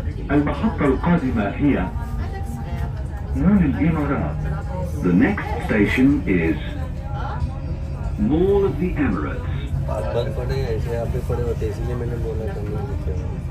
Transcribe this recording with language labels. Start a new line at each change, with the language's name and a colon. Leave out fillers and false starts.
Arabic: المحطة القادمة هي مول الإمارات.
English: The next station is Mall of the Emirates.
Hindi: बाहर पड़े हैं ऐसे आप भी पड़े होते हैं इसलिए मैंने बोला कि नहीं लिखे हैं।